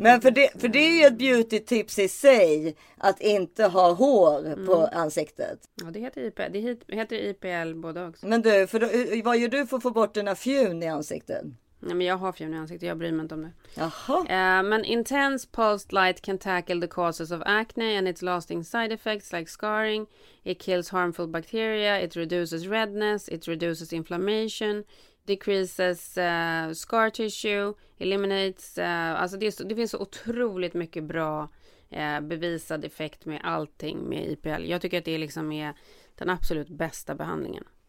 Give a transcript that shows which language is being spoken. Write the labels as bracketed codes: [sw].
[sv] Men för det är ju ett beauty tips i sig att inte ha hår på ansiktet. Ja, det heter IPL. Det heter IPL både också. Men du, vad gör du för att få bort dina fjun i ansiktet? Nej, men jag har fjun i ansiktet. Jag bryr mig inte om det. Jaha. [en] Men intense pulsed light can tackle the causes of acne and its lasting side effects like scarring. It kills harmful bacteria, it reduces redness, it reduces inflammation. Decreases scar tissue, eliminates, [sv] alltså det finns så otroligt mycket bra bevisad effekt med allting med IPL. Jag tycker att det liksom är den absolut bästa behandlingen.